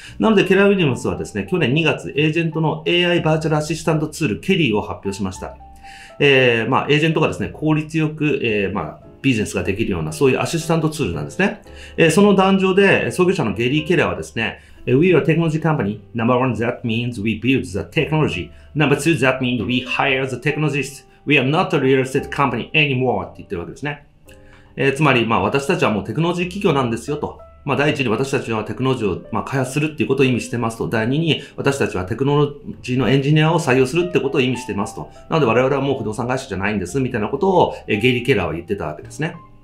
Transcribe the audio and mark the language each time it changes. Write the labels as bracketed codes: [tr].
[ja] なので、ケラー・ウィリアムズはですね、去年2月、エージェントの AI バーチャルアシスタントツール、ケリーを発表しました。まあ、エージェントがですね、効率よく、まあ、ビジネスができるような、そういうアシスタントツールなんですね。その壇上で、創業者のゲリー・ケラーはですね、 [en] We are a technology company. Number one, that means we build the technology. Number two, that means we hire the technologists. We are not a real estate company anymore. [ja] って言ってるわけですね。つまり、まあ、私たちはもうテクノロジー企業なんですよと。まあ、第一に私たちはテクノロジーを、まあ、開発するっていうことを意味してますと。第二に私たちはテクノロジーのエンジニアを採用するってことを意味してますと。なので我々はもう不動産会社じゃないんですみたいなことを、ゲリー・ケラーは言ってたわけですね。